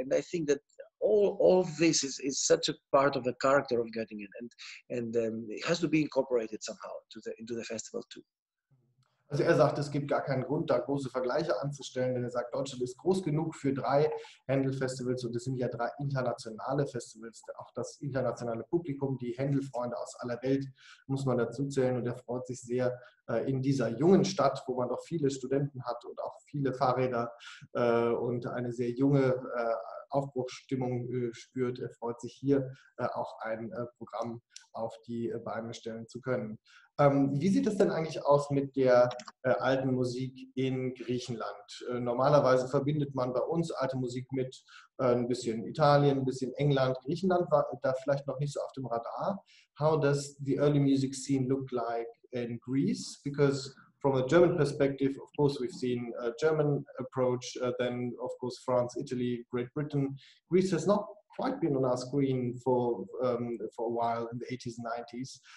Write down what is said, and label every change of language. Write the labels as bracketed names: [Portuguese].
[English] And I think that all of this is such a part of the character of Göttingen, and it has to be incorporated somehow into the festival too. [German] Also er sagt, es gibt gar keinen Grund, da große Vergleiche anzustellen, denn er sagt, Deutschland ist groß genug für drei Händel-Festivals und es sind ja drei internationale Festivals. Auch das internationale Publikum, die Händel-Freunde aus aller Welt, muss man dazu zählen. Und er freut sich sehr, in dieser jungen Stadt, wo man doch viele Studenten hat und auch viele Fahrräder und eine sehr junge Aufbruchsstimmung spürt, er freut sich hier auch ein Programm auf die Beine stellen zu können. Wie sieht es denn eigentlich aus mit der alten Musik in Griechenland? Normalerweise verbindet man bei uns alte Musik mit ein bisschen Italien, ein bisschen England. Griechenland war da vielleicht noch nicht so auf dem Radar. [English] How does the early music scene look like in Greece? Because from a German perspective, of course, we've seen a German approach, then of course France, Italy, Great Britain. Greece has not quite been on our screen for a while in the 80s and 90s.